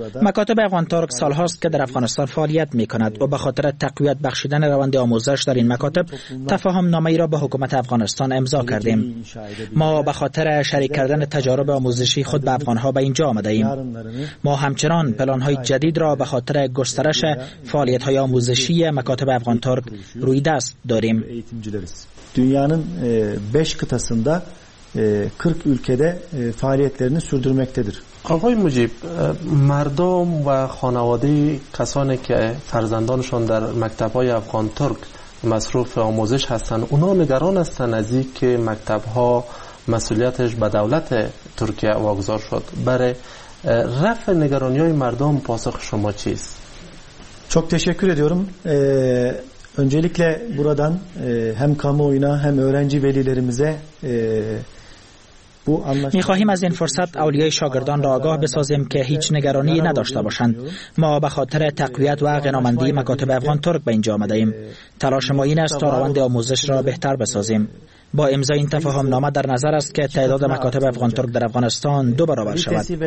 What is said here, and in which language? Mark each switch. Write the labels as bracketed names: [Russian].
[Persian] مکاتب افغان ترک سال هاست که در افغانستان فعالیت می کند و به خاطر تقویت بخشیدن روند آموزش در این مکاتب تفاهم نامه ای را به حکومت افغانستان امضا کردیم. ما به خاطر شریک کردن تجارب آموزشی خود به افغان ها به اینجا آمده ایم. ما همچنان پلان های جدید را به خاطر گسترش فعالیت های آموزشی مکاتب افغان ترک روی دست داریم. [Turkish] دنیانın 5 kıtasında 40 ülkede faaliyetlerini sürdürmektedir. [Persian] آقای مجیب، مردم و خانواده کسانی که فرزندانشان در مکتب‌های افغان ترک مصروف آموزش هستند، اونا نگران هستند از اینکه مکتب‌ها مسئولیتش به دولت ترکیه واگذار شد. برای رفع نگرانی‌های مردم پاسخ شما چیست؟ [Turkish] Çok teşekkür ediyorum. Öncelikle buradan hem kamuoyuna hem öğrenci velilerimize [Persian] می خواهیم از این فرصت اولیای شاگردان را آگاه بسازیم که هیچ نگرانی نداشته باشند. ما به خاطر تقویت و غنامندی مکاتب افغان ترک به اینجا آمده ایم. تلاش ما این است تا روند آموزش را بهتر بسازیم. با امضای این تفاهم نامه در نظر است که تعداد مکاتب افغان ترک در افغانستان دو برابر شود.